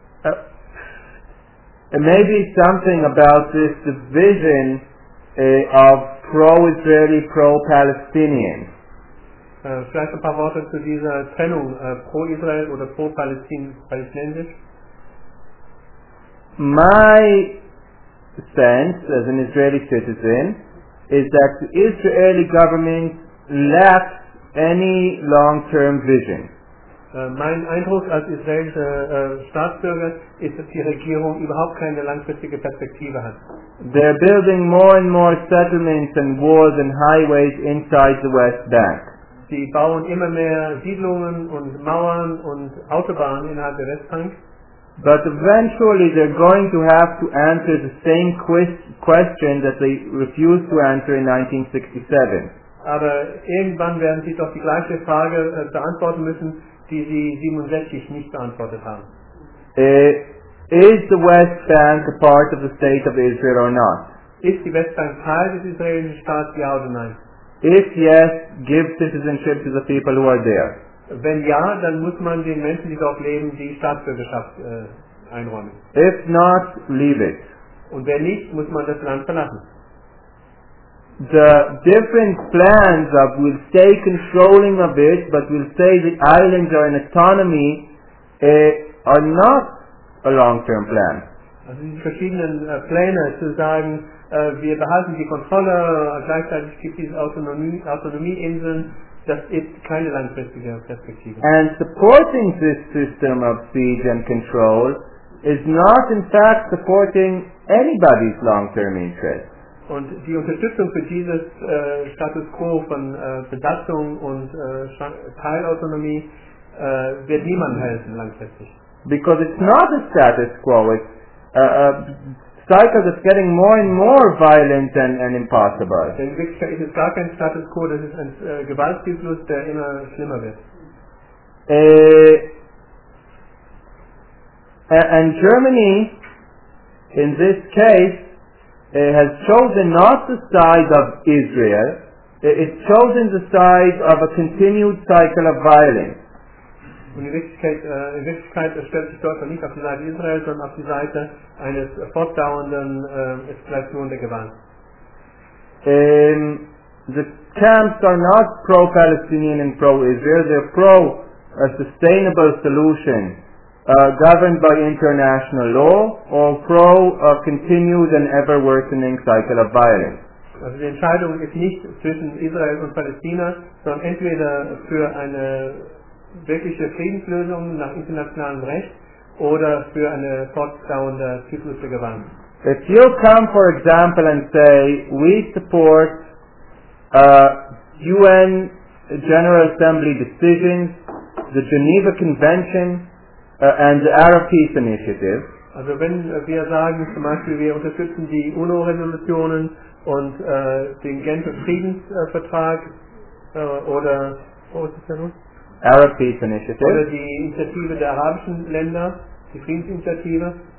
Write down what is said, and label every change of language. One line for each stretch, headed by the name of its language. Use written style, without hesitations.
English: Maybe something about this division of pro-Israeli, pro-Palestinian.
German: Vielleicht ein paar Worte zu dieser Trennung pro-Israel oder pro-Palästinensisch.
English: My sense as an Israeli citizen is that the Israeli government lacks any long-term vision.
German: Mein Eindruck als israelischer Staatsbürger ist, dass die Regierung überhaupt keine langfristige Perspektive hat.
English: They're building more and more settlements and walls and highways inside the West Bank.
German: Sie bauen immer mehr Siedlungen und Mauern und Autobahnen innerhalb der Westbank.
English: But eventually they're going to have to answer the same question that they refused to answer in 1967.
German: Aber irgendwann werden sie doch die gleiche Frage beantworten müssen, die sie 67 nicht beantwortet haben.
English: Is the West Bank a part of the state of Israel or not?
German: Ist die Westbank Teil des israelischen Staates, ja oder nein?
English: If yes, give citizenship to the people who are there.
German: Wenn ja, dann muss man den Menschen, die dort leben, die Staatsbürgerschaft einräumen.
English: If not, leave it.
German: Und wenn nicht, muss man das Land verlassen.
English: The different plans of we'll stay controlling of it, but we'll say the islands are in autonomy, are not a long-term plan.
German: Also die verschiedenen Pläne zu sagen, wir behalten die Kontrolle, gleichzeitig gibt es Autonomieinseln, das ist keine langfristige Perspektive.
English: And supporting this system of siege and control is not in fact supporting anybody's long-term interest.
German: Und die Unterstützung für dieses Status quo von Besatzung und Teilautonomie wird niemandem helfen langfristig.
English: Because it's not a status quo, it's a cycle that's getting more and more violent and impossible.
German: Denn wirklich ist es gar kein Status quo, das ist ein Gewaltzyklus, der immer schlimmer wird.
English: And Germany, in this case, has chosen not the side of Israel, it's chosen the side of a continued cycle of violence.
German: Und in Wirklichkeit stellt sich Deutschland nicht auf die Seite Israels, sondern auf die Seite eines fortdauernden Eskalation der Gewalt.
English: The camps are not pro-Palestinian and pro-Israel, they're pro-a sustainable solution governed by international law or pro-a continued and ever-worsening cycle of violence.
German: Also die Entscheidung ist nicht zwischen Israel und Palästina, sondern entweder für eine wirkliche Friedenslösung nach internationalem Recht oder für eine fortdauernde Zyklus der Gewalt.
English: If you come, for example, and say, we support UN General Assembly decisions, the Geneva Convention, and the Arab Peace Initiative.
German: Also wenn wir sagen, zum Beispiel, wir unterstützen die UNO-Resolutionen und den Genfer Friedensvertrag oder was ist das noch?
English: Arab Peace Initiative.
German: Oder die Initiative der arabischen Länder, die Friedensinitiative.